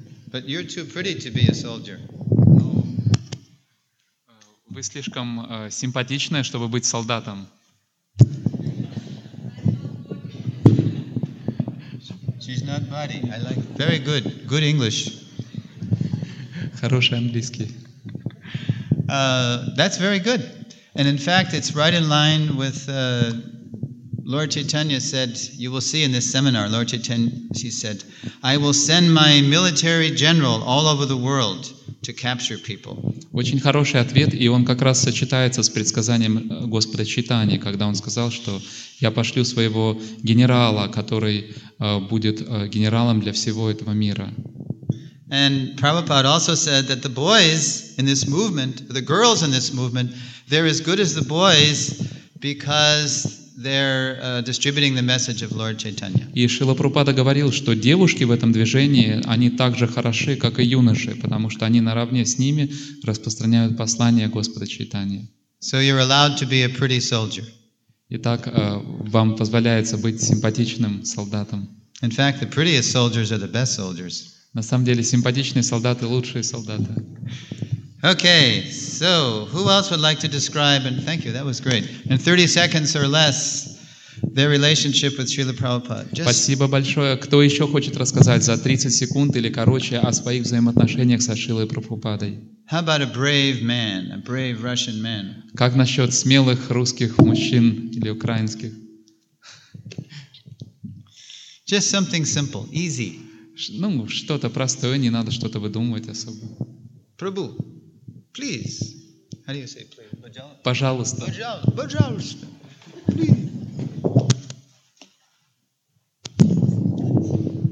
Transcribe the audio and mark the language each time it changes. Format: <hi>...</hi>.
<en>But you're too pretty to be a soldier.</en> <ru>Вы слишком симпатичная, чтобы быть солдатом.</ru> <en>She's not body. I like it. Very good. Good English.</en> <ru>Хороший английский.</ru> <en>That's very good. And in fact, it's right in line with Lord Chaitanya said, you will see in this seminar, Lord Chaitanya, she said, I will send my military general all over the world to capture people.</en> <ru>Очень хороший ответ, и он как раз сочетается с предсказанием Господа Чайтаньи, когда он сказал, что я пошлю своего генерала, который будет генералом для всего этого мира.</ru> <en>And Prabhupada also said that the boys in this movement, the girls in this movement, they're as good as the boys because they're distributing the message of Lord Chaitanya.</en> <ru>И Шрила Прабхупада говорил, что девушки в этом движении, они так же хороши, как и юноши, потому что они наравне с ними распространяют послание Господа Чайтаньи.</ru> <en>So you're allowed to be a pretty soldier.</en> <ru>Итак, вам позволяется быть симпатичным солдатом.</ru> <en>In fact, the prettiest soldiers are the best soldiers.</en> <ru>На самом деле, симпатичные солдаты — лучшие солдаты.</ru> <en>Okay, so who else would like to describe, and thank you, that was great, in 30 seconds or less, their relationship with Srila Prabhupada? Just...</en> <ru>Спасибо большое. Кто еще хочет рассказать за 30 секунд или короче о своих взаимоотношениях со Шрилой Прабхупадой?</ru> <en>How about a brave man, a brave Russian man?</en> <ru>Как насчет смелых русских мужчин или украинских?</ru> <en>Just something simple, easy.</en> <ru>Ну, что-то простое, не надо что-то выдумывать особо.</ru> <en>Прабу. Please. How do you say please?</en> <ru>Пожалуйста. Пожалуйста.</ru> <en>Please.</en>